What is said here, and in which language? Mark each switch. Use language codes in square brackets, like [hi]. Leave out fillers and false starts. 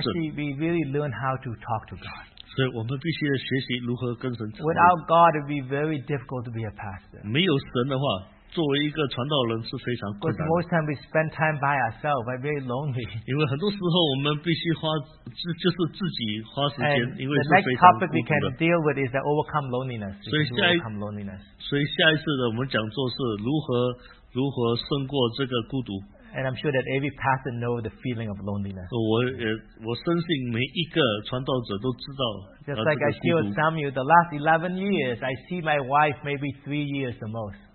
[en] Actually, we really learn how to talk to God. [zh] 所以我们必须学习如何跟神谈论。 [en] Without God, it'd be very difficult to be a pastor. [zh] 没有神的话，作为一个传道人是非常困难的。 [en] Because most time we spend time by ourselves, we're very lonely. [zh] 因为很多时候我们必须花，就是自己花时间，因为是非常孤独的。 [en] The next topic we can deal with is that overcome loneliness. [zh] 所以下一次的我们讲座是如何胜过这个孤独。 [en] And I'm sure that every pastor knows the feeling of loneliness. [zh] 我深信每一个传道者都知道。 [en] Just like I told Samuel, the last 11 years, I see my wife maybe 3 years the most.